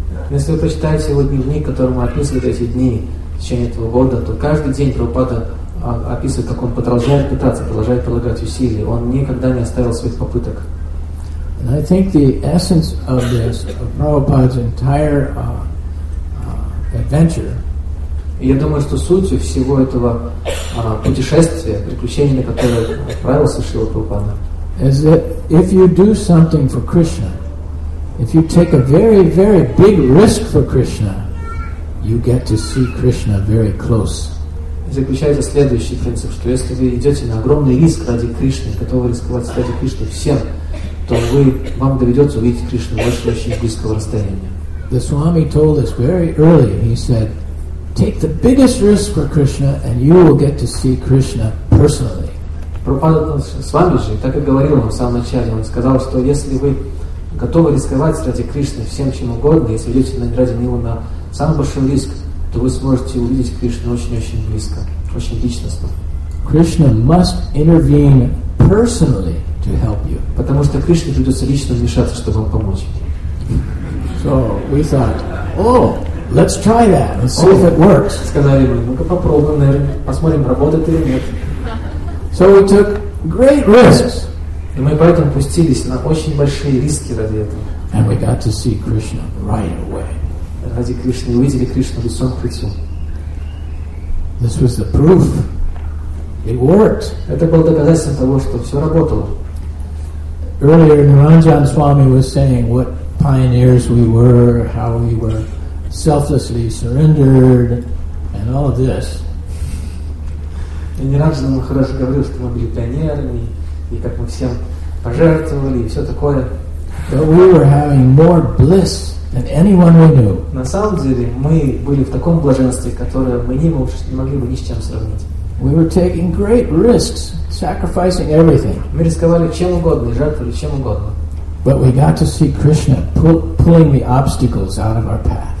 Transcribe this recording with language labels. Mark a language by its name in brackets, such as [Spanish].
[Russian] Если вы прочитаете его дневник, которому описывает эти дни в течение этого года, то каждый день Прабхупада описывает, как он продолжает пытаться, продолжает прилагать усилия. Он никогда не оставил своих попыток. [English] And I think the essence of this, of Prabhupada's entire adventure. [Russian] И я думаю, что сутью всего этого путешествия, приключения, на которое отправился Шрила Прабхупада, [English] is that if you do something for Krishna, if you take a very, very big risk for Krishna, you get to see Krishna very close. [Russian] И заключается следующий принцип, что если вы идете на огромный риск ради Кришны, готовы рисковать ради Кришны всем, то вы, вам доведется увидеть Кришну в очень-очень близком расстоянии. [English] The Swami told us very early, he said, take the biggest risk for Krishna, and you will get to see Krishna personally. [Russian] Prabhupada с вами же так и говорил вам в самом начале. Он сказал, что если вы готовы рисковать ради Кришны всем чем угодно, если идете ради него на самый большой риск, то вы сможете увидеть Кришну очень-очень близко, очень личностно. [English] Krishna must intervene personally to help you. [Russian] Потому что Кришне придется лично вмешаться, чтобы вам помочь. [English] So we thought, oh. Let's try that. Let's see if it works. [Russian] Сказали мы, ну-ка попробуем, наверное, посмотрим, работает или нет. [English] So we took great risks. [Russian] И мы поэтому пустились на очень большие риски ради этого. [English] And we got to see Krishna right away. [Russian] Ради Кришны увидели Кришну лицом к лицу. [English] This was the proof. It worked. [Russian] Это было доказательством того, что все работало. [English] Earlier, Niranjan Swami was saying what pioneers we were, how we were. Selflessly surrendered and all of this. [Russian] И не раз нам хорошо говорил, что мы были пионерами и как мы всем пожертвовали и все такое. [English] But we were having more bliss than anyone we knew. [Russian] На самом деле, мы были в таком блаженстве, которое мы не могли бы ни с чем сравнить. [English] We were taking great risks, sacrificing everything. [Russian] Мы рисковали чем угодно, жертвовали чем угодно. [English] But we got to see Krishna pulling the obstacles out of our path.